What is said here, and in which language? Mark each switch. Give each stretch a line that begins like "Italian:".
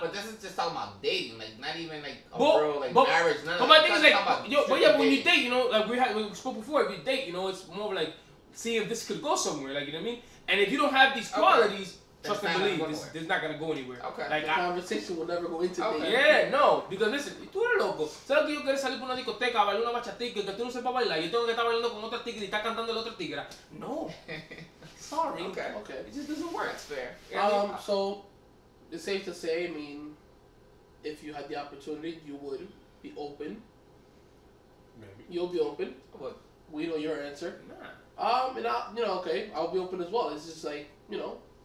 English: But this is just talking about dating, like, not even like a girl, marriage, none of that. But my thing is, like, when you date, you know, like we spoke before, if you date, you know, it's more like seeing if this could go somewhere, like, you know what I mean? And if you don't have these qualities, trust and believe, this is not gonna go anywhere. Okay. Like, the conversation will never go into dating. Yeah, no, because listen,
Spanish: tú eres loco. ¿Sabes que yo quiero salir por una discoteca, bailar una bachatica, que tú no sepas bailar, yo tengo que estar bailando con otra tigre y estar cantando el otro tigre?
English: No. Sorry. Okay. It just doesn't work. That's fair. Yeah, so, it's safe to say, I mean, if you had the opportunity, you would be open. Maybe. You'll be open. But we know your answer. Nah. I'll be open as well. It's just like, you know,